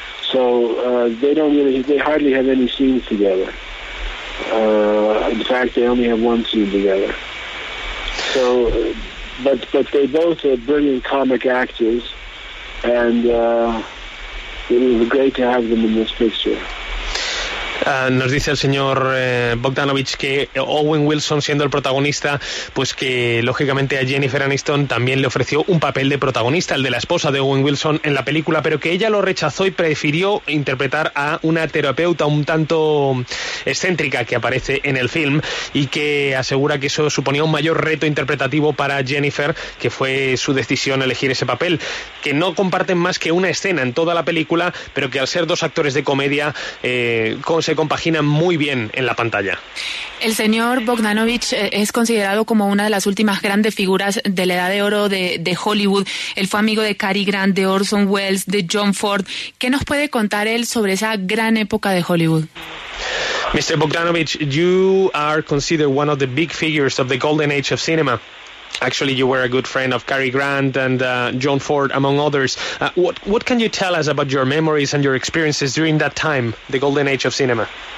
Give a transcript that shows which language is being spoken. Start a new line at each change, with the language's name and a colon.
English: So they hardly have any scenes together. In fact, they only have one scene together. So, but they both are brilliant comic actors, and it was great to have them in this picture.
Spanish: Nos dice el señor Bogdanovich que Owen Wilson, siendo el protagonista, pues que lógicamente a Jennifer Aniston también le ofreció un papel de protagonista, el de la esposa de Owen Wilson en la película, pero que ella lo rechazó y prefirió interpretar a una terapeuta un tanto excéntrica que aparece en el film, y que asegura que eso suponía un mayor reto interpretativo para Jennifer, que fue su decisión elegir ese papel, que no comparten más que una escena en toda la película, pero que al ser dos actores de comedia, se compagina muy bien en la pantalla. El señor Bogdanovich es considerado como una de las últimas grandes figuras de la edad de oro de Hollywood. Él fue amigo de Cary Grant, de Orson Welles, de John Ford. ¿Qué nos puede contar él sobre esa gran época de Hollywood?
English: Mr. Bogdanovich, you are considered one of the big figures of the golden age of cinema. Actually, you were a good friend of Cary Grant and John Ford, among others. What can you tell us about your memories and your experiences during that time, the golden age of cinema?